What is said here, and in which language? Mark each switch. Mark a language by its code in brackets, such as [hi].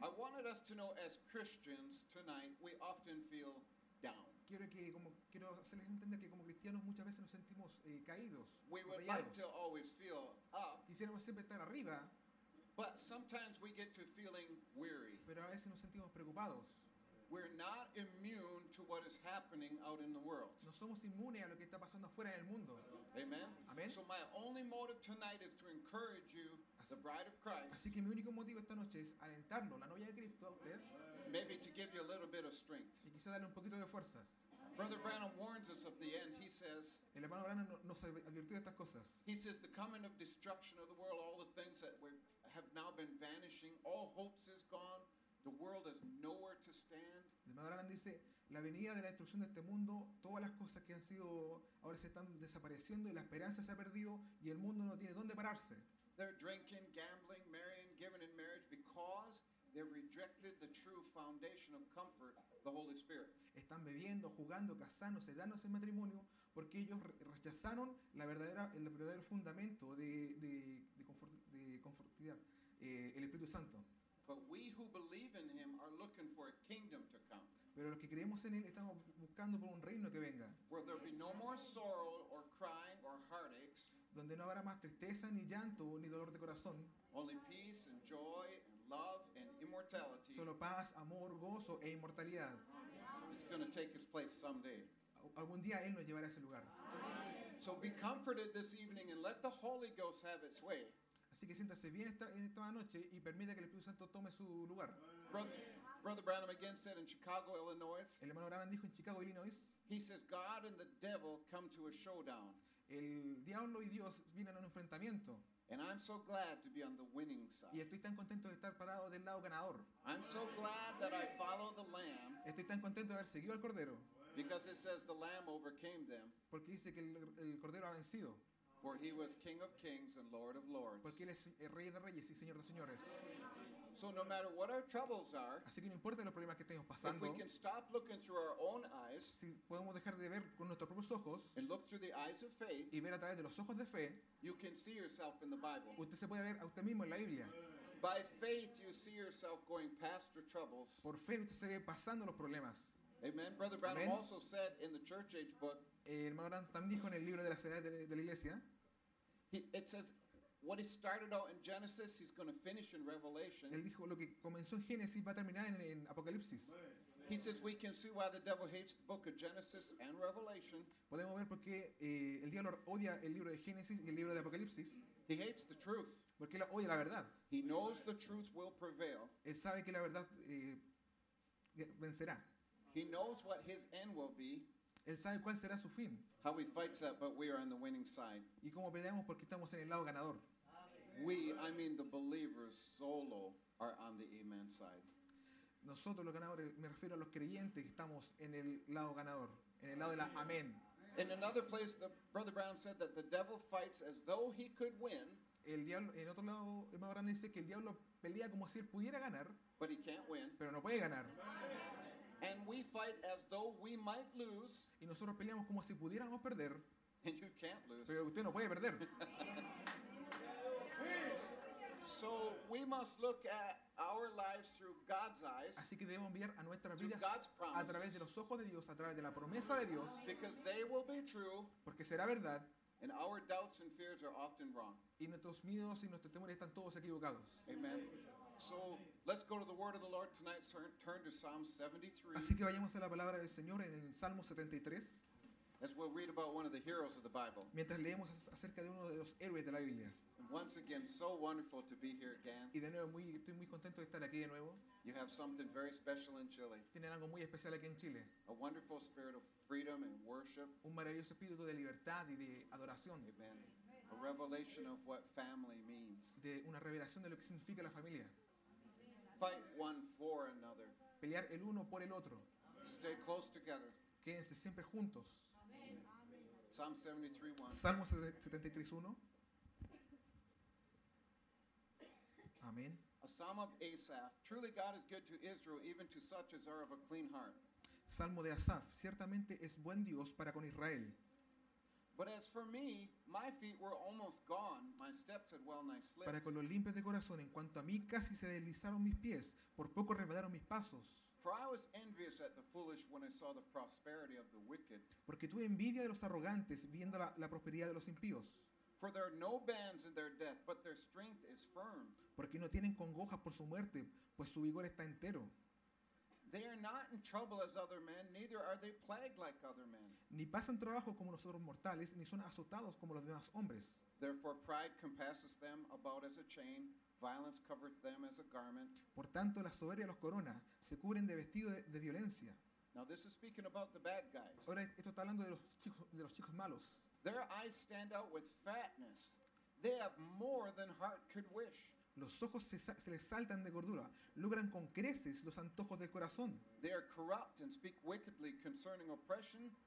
[en] I wanted us to know, as Christians tonight, we often feel down. [es] Quiero hacerles entender que como cristianos muchas veces nos sentimos caídos. [en] We would like to always feel up. [es] Quisiéramos siempre estar arriba. [en] But sometimes we get to feeling weary. [es] Pero a veces nos sentimos preocupados. [en] We're not immune to what is happening out in the world. [es] No somos inmunes a lo que está pasando afuera en el mundo. Amen. Amen. [en] So my only motive tonight is to encourage you, the bride of Christ. [es] Así que mi único motivo esta noche es alentarlo, la novia de Cristo, a usted. [en] Maybe to give you a little bit of strength. [es] Y quizá darle un poquito de fuerzas. [en] Brother Branham warns us of the end. He says, [es] el hermano Branham nos advirtió de estas cosas. [en] He says, the coming of destruction of the world, all the things that have now been vanishing, all hopes is gone. The world has nowhere to stand. [es] El hermano Branham dice, la venida de la destrucción de este mundo, todas las cosas que han sido, ahora se están desapareciendo y la esperanza se ha perdido y el mundo no tiene dónde pararse. [en] They're drinking, gambling, marrying, giving in marriage because they rejected the true foundation of comfort, the Holy Spirit. [es] Están bebiendo, jugando, casándose, dándose en matrimonio porque ellos rechazaron el verdadero fundamento de confortidad, el Espíritu Santo. [en] But we who believe in him are looking for a kingdom to come. [es] Pero los que creemos en él estamos buscando por un reino que venga. [en] Where there be no more sorrow or crying or heartaches. [es] Donde no habrá más tristeza ni llanto ni dolor de corazón. [en] Only peace and joy and love and immortality. [es] Solo paz, amor, gozo e inmortalidad. [en] It's going to take his place someday. [es] Algún día él nos llevará a ese lugar. [en] So be comforted this evening and let the Holy Ghost have its way. [es] Así que siéntase bien esta noche y permita que el Espíritu Santo tome su lugar. [en] Brother Branham again said in Chicago, Illinois. [es] El hermano Branham dijo en Chicago, Illinois. [en] He says God and the devil come to a showdown. [es] El diablo y Dios vienen a un enfrentamiento. [en] And I'm so glad to be on the winning side. [es] Y estoy tan contento de estar parado del lado ganador. [en] I'm so glad that I follow the lamb. [es] Estoy tan contento de haber seguido al cordero. [en] Because it says the lamb overcame them. [es] Porque dice que el cordero ha vencido. [en] For he was King of Kings and Lord of Lords. [es] Porque él es el Rey de Reyes y Señor de Señores. [en] So no matter what our troubles are, [es] así que no importa los problemas que estemos pasando, [en] if we can stop looking through our own eyes, [es] si podemos dejar de ver con nuestros propios ojos, [en] and look through the eyes of faith, [es] y ver a través de los ojos de fe, [en] you can see yourself in the Bible. [es] Usted se puede ver a usted mismo en la Biblia. [en] By faith you see yourself going past your troubles. [es] Por fe usted se ve pasando los problemas. Amen. [en] Brother Branham also said in the Church Age book, [es] hermano Branham también dijo en el libro de la edad de la iglesia, [en] it says, what he started out in Genesis, he's going to finish in Revelation. [es] Él dijo lo que comenzó en Génesis va a terminar en Apocalipsis. [en] He says we can see why the devil hates the book of Genesis and Revelation. [es] Podemos ver por qué el diablo odia el libro de Génesis y el libro de Apocalipsis. [en] He hates the truth. [es] Porque él odia la verdad. [en] He knows the truth will prevail. [es] Él sabe que la verdad vencerá. [en] He knows what his end will be. [es] Él sabe cuál será su fin. [en] How he fights that, but we are on the winning side. [es] Y cómo peleamos porque estamos en el lado ganador. [en] We, I mean the believers solo, are on the amen side. [es] Nosotros los ganadores, me refiero a los creyentes, estamos en el lado ganador, en el lado de la amén. [en] In another place, the Brother Branham said that the devil fights as though he could win. [es] El diablo, en otro lado, el Brother Branham dice que el diablo pelea como si él pudiera ganar. [en] But he can't win. [es] Pero no puede ganar. [en] And we fight as though we might lose. [es] Y nosotros peleamos como si pudiéramos perder. [en] And you can't lose. [es] Pero usted no puede perder. [en] So we must look at our lives through God's eyes. [es] Así que debemos mirar a nuestras [en] through [es] vidas [en] God's promises, [es] a través de los ojos de Dios, a través de la promesa de Dios. [en] Because they will be true. [es] Porque será verdad. [en] And our doubts and fears are often wrong. [es] Y nuestros miedos y nuestros temores están todos equivocados. Amen. [en] So let's go to the word of the Lord tonight. Turn to Psalm 73. [es] Así que vayamos a la palabra del Señor en el Salmo 73. [en] As we'll read about one of the heroes of the Bible. [es] Mientras leemos acerca de uno de los héroes de la Biblia. [en] And once again, so wonderful to be here again. [es] Y de nuevo, estoy muy contento de estar aquí de nuevo. [en] You have something very special in Chile. [es] Tienen algo muy especial aquí en Chile. [en] A wonderful spirit of freedom and worship. [es] Un maravilloso espíritu de libertad y de adoración. Amen. [en] A revelation of what family means. [es] De una revelación de lo que significa la familia. [en] Fight one for another. [es] Pelear el uno por el otro. [en] Stay close together. [es] Quédense siempre juntos. Amen. Amen. [en] Psalm 73:1. Amen. A psalm of Asaph. Truly God is good to Israel, even to such as are of a clean heart. [es] Salmo de Asaf. Ciertamente es buen Dios para con Israel. [en] But as for me, my feet were almost gone. My steps had well nigh slipped. [es] Para con los limpios de corazón, en cuanto a mí, casi se deslizaron mis pies. Por poco resbalaron mis pasos. [en] For I was envious at the foolish when I saw the prosperity of the wicked. [es] Porque tuve envidia de los arrogantes, viendo la prosperidad de los impíos. [en] For there are no bands in their death, but their strength is firm. [es] Porque no tienen congojas por su muerte, pues su vigor está entero. [en] They are not in trouble as other men, neither are they plagued like other men. [es] Ni pasan trabajo como nosotros mortales, ni son azotados como los demás hombres. [en] Therefore pride compasses them about as a chain, violence covers them as a garment. [es] Por tanto, la soberbia los corona, se cubren de vestido de violencia. [en] Now this is speaking about the bad guys. [es] Ahora esto está hablando de los chicos malos. [en] Their eyes stand out with fatness. They have more than heart could wish. [es] Los ojos se les saltan de gordura, logran con creces los antojos del corazón. [en] They are corrupt and speak wickedly concerning oppression.